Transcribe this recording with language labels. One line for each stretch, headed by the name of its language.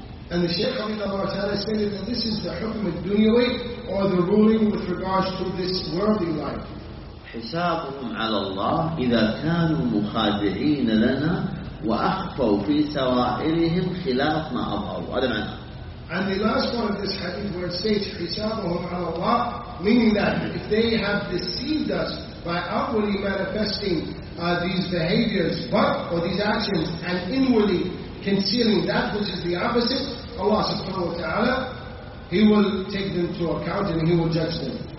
English: And the Shaykh Habibullah Ta'ala stated that this is the hukm of dunya or the ruling with regards to this worldly life.
Arabic: حسابهم على الله إذا كانوا مخادعين لنا وأخفوا في سرائرهم خلاف ما أظهروا. هذا معنى.
English: And the last part of this hadith where it states
Arabic: حسابهم على الله,
English: meaning that if they have deceived us by outwardly manifesting these behaviors, but or these actions, and inwardly concealing that which is the opposite, Allah subhanahu wa ta'ala, He will take them to account and He will judge them.